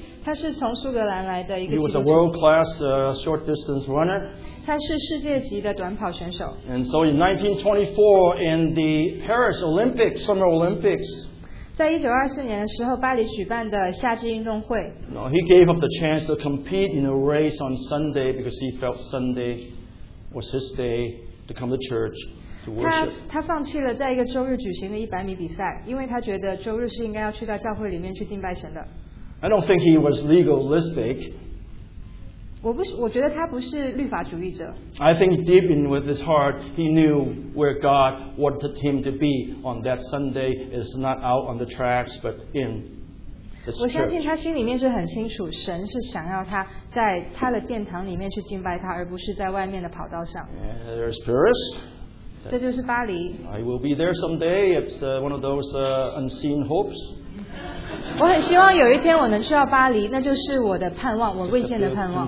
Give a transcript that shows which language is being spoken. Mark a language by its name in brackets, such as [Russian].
[Chinese] 他是从苏格兰来的一个基督徒。 [English] He was a world-class short distance runner. [Chinese] 他是世界级的短跑选手。 [English] And so in 1924, in the Paris Olympics, Summer Olympics, [Chinese] 在1924年的时候，巴黎举办的夏季运动会。 [English] No, he gave up the chance to compete in a race on Sunday because he felt Sunday was his day to come to church to worship. [Chinese] 他放弃了在一个周日举行的100米比赛，因为他觉得周日是应该要去到教会里面去敬拜神的。 [English] I don't think he was legalistic. [Chinese] 我觉得他不是律法主义者。 [English] I think deep in with his heart, he knew where God wanted him to be on that Sunday. It's not out on the tracks, but in his church. [Chinese] 我相信他心里面是很清楚，神是想要他在他的殿堂里面去敬拜他，而不是在外面的跑道上。 [English] There's Paris. [Chinese] 这就是巴黎。 [English] I will be there someday. It's one of those unseen hopes. [Chinese] 我很希望有一天我能去到巴黎，那就是我的盼望，我未见的盼望。